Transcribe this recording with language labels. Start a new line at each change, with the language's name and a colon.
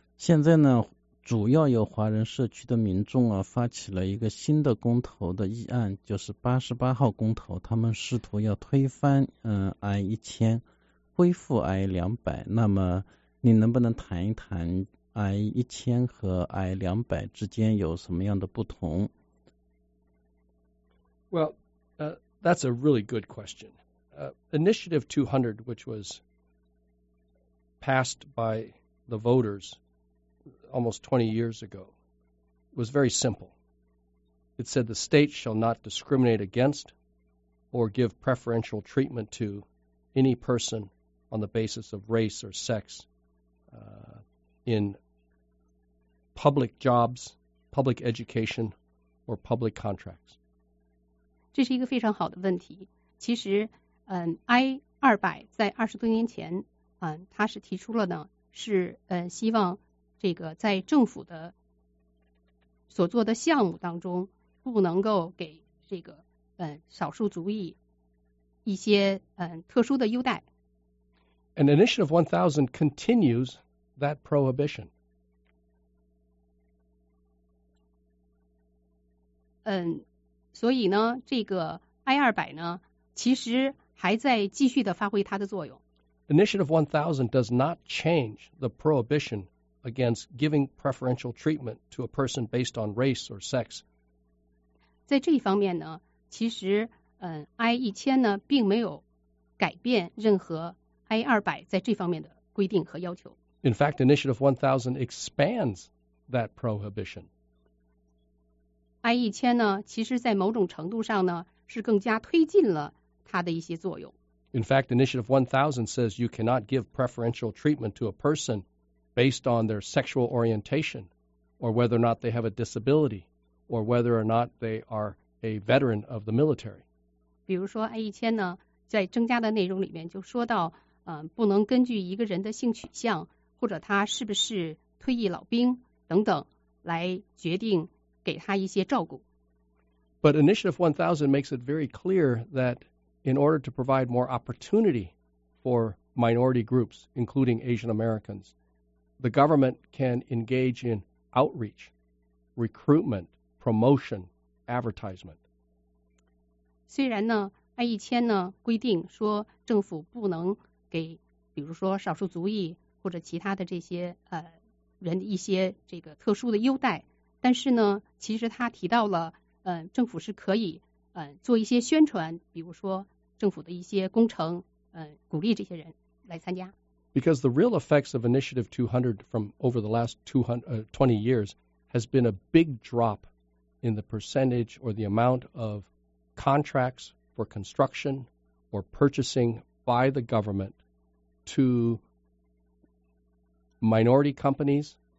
Chinese: 现在呢，主要有华人社区的民众啊，发起了一个新的公投的议案，就是88号公投，他们试图要推翻I-1000，恢复I-200。那么，你能不能谈一谈I-1000和I-200之间有什么样的不同？
English: Well, that's a really good question. Initiative 200, which was passed by the voters almost 20 years ago, was very simple. It said the state shall not discriminate against or give preferential treatment to any person on the basis of race or sex in public jobs, public education, or public contracts.
Chinese: 这是一个非常好的问题。其实，I-200 在二十多年前，它是提出了呢，是希望这个在政府的所做的项目当中，不能够给这个少数族裔一些特殊的优待。
English: An initiative 1000 continues that prohibition.
Chinese: 所以呢，这个 I-200 呢，其实还在继续的发挥它的作用。
English: Initiative 1000 does not change the prohibition against giving preferential treatment to a person based on race or sex.
Chinese: 在这一方面呢，其实I-1000 呢，并没有改变任何 I-200 在这方面的规定和要求。
English: In fact, Initiative 1000 expands that prohibition.
Chinese: I-1000 呢，其实在某种程度上呢，是更加推进了它的一些作用。
English: In fact, Initiative 1000 says you cannot give preferential treatment to a person based on their sexual orientation, or whether or not they have a disability, or whether or not they are a veteran of the military.
Chinese: 比如说 I-1000 呢，在增加的内容里面就说到，不能根据一个人的性取向，或者他是不是退役老兵等等，来决定给他一些照顾。
English: But Initiative 1000 makes it very clear that in order to provide more opportunity for minority groups, including Asian Americans, the government can engage in outreach, recruitment, promotion, advertisement.
Chinese: 虽然呢 ,I-1000 呢规定说政府不能给比如说少数族裔或者其他的这些人一些这个特殊的优待。但是呢，其实他提到了，政府是可以，做一些宣传，比如说政府的一些工程，鼓励这些人来参加。
English: Because the real effects of Initiative 200 from over the last 20 years has been a big drop in the percentage or the amount of contracts for construction or purchasing by the government to minority companies.